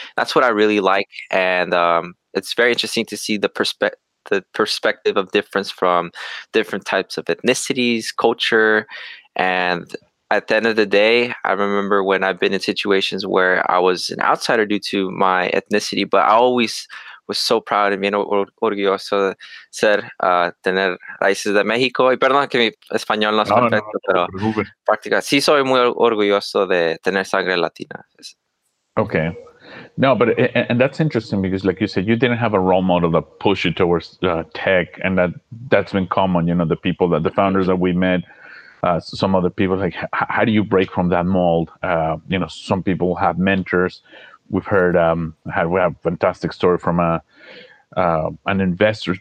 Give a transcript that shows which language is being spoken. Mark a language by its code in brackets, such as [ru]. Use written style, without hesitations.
[en] That's what I really like, and it's very interesting to see the perspective of difference from different types of ethnicities, culture, and at the end of the day, I remember when I've been in situations where I was an outsider due to my ethnicity, but I always was so proud and [es] orgulloso de ser tener raíces de México. Y perdón que mi español no es perfecto, pero práctica. Sí, soy muy orgulloso de tener sangre latina. [en] Okay. No, but and that's interesting because, like you said, you didn't have a role model to push you towards tech, and that's been common. You know, the people that the founders that we met. Some other people, like, how do you break from that mold? You know, some people have mentors. We've heard, we have a fantastic story from an investor.